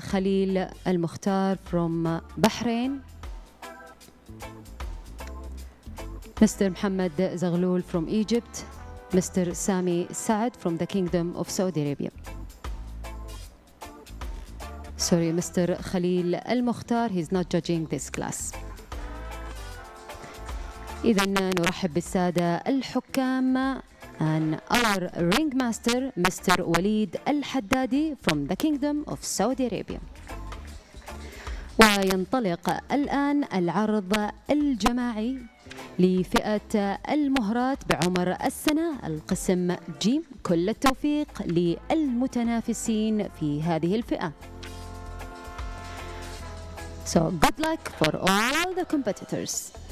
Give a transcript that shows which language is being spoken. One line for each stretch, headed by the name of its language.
English: Khalil Al-Mukhtar from Bahrain, Mr. Muhammad Zaghloul from Egypt, Mr. Sami Saad from the Kingdom of Saudi Arabia. Sorry, Mr. Khalil Al-Mukhtar, he's not judging this class.
Arabic: إذن نرحب بالسادة الحكام
English: and our ringmaster, Mr. Waleed Al-Haddadi from the Kingdom of Saudi Arabia.
Arabic: وينطلق الآن العرض الجماعي لفئة المهرات بعمر السنة القسم جيم. كل التوفيق للمتنافسين في هذه الفئة.
English: So good luck for all the competitors.